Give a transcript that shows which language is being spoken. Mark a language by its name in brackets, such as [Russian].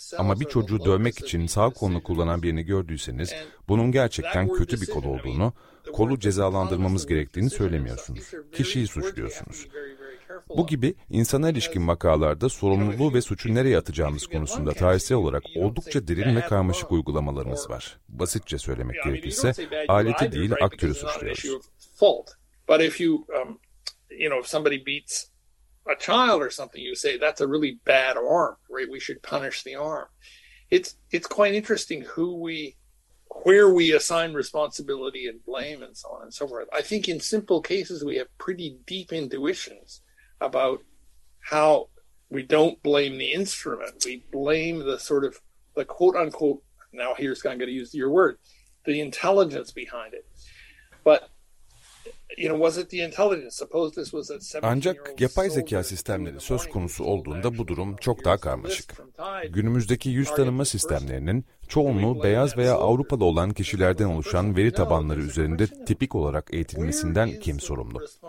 [Turkish] Ama bir çocuğu dövmek için sağ kolunu kullanan birini gördüyseniz bunun gerçekten kötü bir kol olduğunu, kolu cezalandırmamız gerektiğini söylemiyorsunuz. Kişiyi suçluyorsunuz. Bu gibi insana ilişkin vakalarda sorumluluğu ve suçu nereye atacağımız konusunda tarihsel olarak oldukça derin ve karmaşık uygulamalarımız var. Basitçe söylemek gerekirse aleti değil aktörü suçluyoruz. [English] But if you if somebody beats a child or something, you say that's a really bad arm, right? We should punish the arm. It's quite interesting where we assign responsibility and blame and so on and so forth. I think in simple cases we have pretty deep intuitions about how we don't blame the instrument, we blame the sort of the quote unquote, now here's going to use your word, the intelligence behind it. But was it the intelligence? Suppose this was a 17-year-old. [Turkish] Ancak yapay zeka sistemleri söz konusu olduğunda bu durum çok daha karmaşık. Günümüzdeki yüz tanıma sistemlerinin çoğunluğu beyaz veya Avrupalı olan kişilerden oluşan veri tabanları üzerinde tipik olarak eğitilmesinden kim sorumlu?